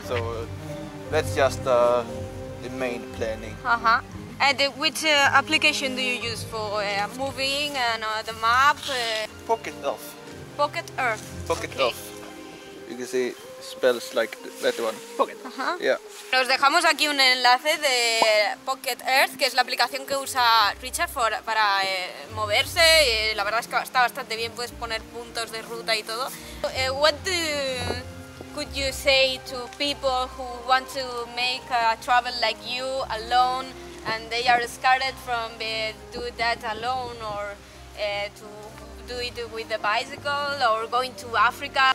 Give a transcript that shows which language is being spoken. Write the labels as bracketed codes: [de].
[en] So that's just the main planning. And which application do you use for moving and the map? Pocket Earth. Pocket Earth. Pocket Earth. You can see spells like that one. Pocket. [es] Nos dejamos aquí un enlace de Pocket Earth, que es la aplicación que usa Richard para moverse. La verdad es que está bastante bien. Puedes poner puntos de ruta y todo. [en] What could you say to people who want to make a travel like you alone and they are scared from do that alone or to do it with the bicycle or going to Africa?